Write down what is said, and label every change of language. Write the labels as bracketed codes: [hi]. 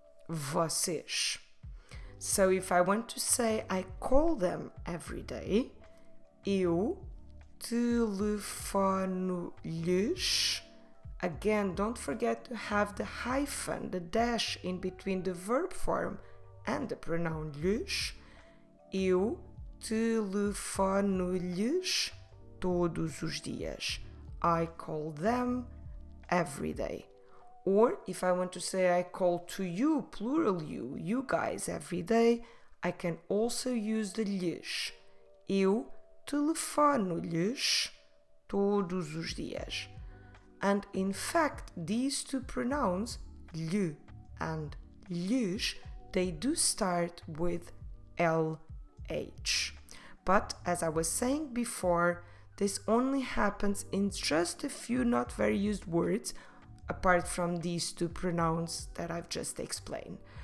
[en] Vocês. So if I want to say I call them every day, [pt] eu telefono-lhes. [en] Again, don't forget to have the hyphen, the dash in between the verb form and the pronoun lhes. [pt] Eu telefono-lhes todos os dias. [en] I call them every day. Or if I want to say I call to you, plural you guys, every day, I can also use the lhes. [pt] Eu telefono-lhes todos os dias. [en] And in fact, these two pronouns, lhe and lhes, they do start with LH. But as I was saying before, this only happens in just a few not very used words, apart from these two pronouns that I've just explained.